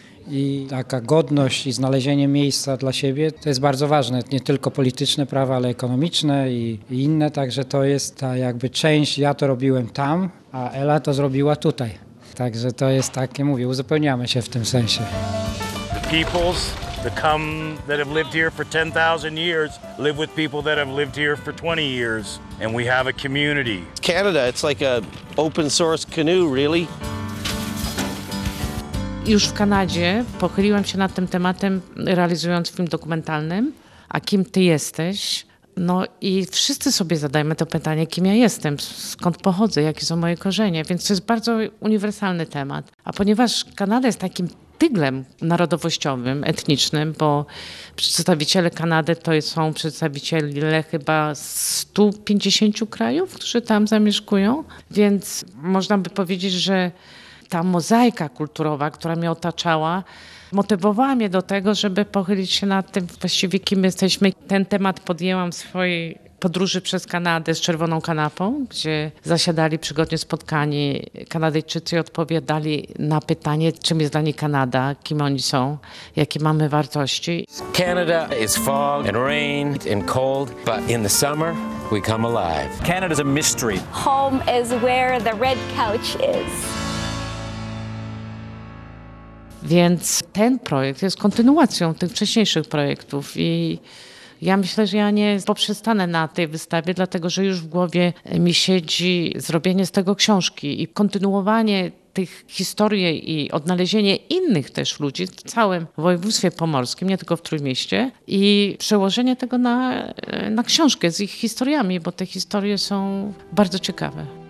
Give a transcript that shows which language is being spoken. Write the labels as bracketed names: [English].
[Polish] I taka godność i znalezienie miejsca dla siebie to jest bardzo ważne, nie tylko polityczne prawa, ale ekonomiczne i inne, także to jest ta jakby część, ja to robiłem tam, a Ela to zrobiła tutaj. Także to jest tak, jak mówię, uzupełniamy się w tym sensie. [English] The peoples that come that have lived here for 10,000 years live with people that have lived here for 20 years and we have a community. Canada, it's like a open source canoe, really. [Polish] Już w Kanadzie pochyliłam się nad tym tematem, realizując film dokumentalny, a kim ty jesteś? No i wszyscy sobie zadajmy to pytanie, kim ja jestem, skąd pochodzę, jakie są moje korzenie, więc to jest bardzo uniwersalny temat. A ponieważ Kanada jest takim tyglem narodowościowym, etnicznym, bo przedstawiciele Kanady to są przedstawiciele chyba 150 krajów, którzy tam zamieszkują, więc można by powiedzieć, że ta mozaika kulturowa, która mnie otaczała, motywowała mnie do tego, żeby pochylić się nad tym właściwie, kim jesteśmy. Ten temat podjęłam w swojej podróży przez Kanadę z czerwoną kanapą, gdzie zasiadali przygodnie spotkani Kanadyjczycy i odpowiadali na pytanie, czym jest dla nich Kanada, kim oni są, jakie mamy wartości. [English] Canada is fog and rain and cold, but in the summer we come alive. Canada is a mystery. Home is where the red couch is. [Polish] Więc ten projekt jest kontynuacją tych wcześniejszych projektów i ja myślę, że ja nie poprzestanę na tej wystawie, dlatego że już w głowie mi siedzi zrobienie z tego książki i kontynuowanie tych historii i odnalezienie innych też ludzi w całym województwie pomorskim, nie tylko w Trójmieście i przełożenie tego na książkę z ich historiami, bo te historie są bardzo ciekawe.